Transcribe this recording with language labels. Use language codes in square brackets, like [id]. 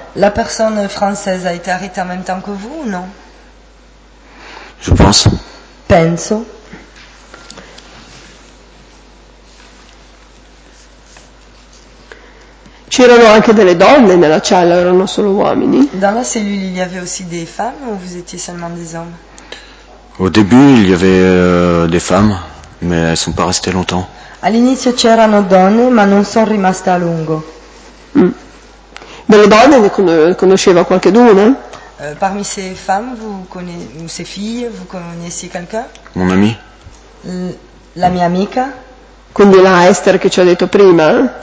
[fr] La personne française a été arrêtée en même temps que vous ou non? Je pense. [it] Penso. C'erano anche delle donne nella cella, erano solo uomini. [fr] Dans la cellule, il y avait aussi des femmes ou vous étiez seulement des hommes? Au début, il y avait des femmes, mais elles sont pas restées longtemps. [it] All'inizio c'erano donne, ma non sono rimaste a lungo. Delle donne ne conosceva qualcheduna? [fr] Parmi ces femmes, vous connaissez, ou ces filles, vous connaissiez quelqu'un? Mon ami. [it] La mia amica? Quindi la Esther che ci ha detto prima.